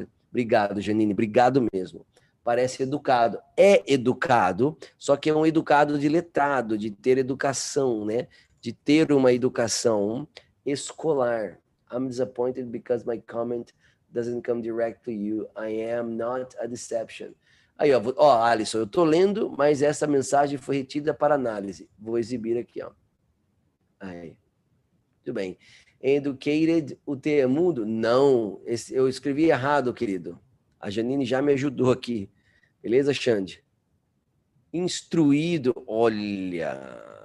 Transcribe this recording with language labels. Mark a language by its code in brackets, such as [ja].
[pt] Obrigado, Janine, obrigado mesmo. Parece educado. É educado, só que é um educado de letrado, de ter educação, né? De ter uma educação escolar. [en] I'm disappointed because my comment doesn't come direct to you. I am not a deception. [pt] Aí, ó, Alisson, eu tô lendo, mas essa mensagem foi retida para análise. Vou exibir aqui, ó. Aí. Tudo bem. Educated, o T é mudo? Não. Esse, eu escrevi errado, querido. A Janine já me ajudou aqui. Beleza, Xande? Instruído, olha.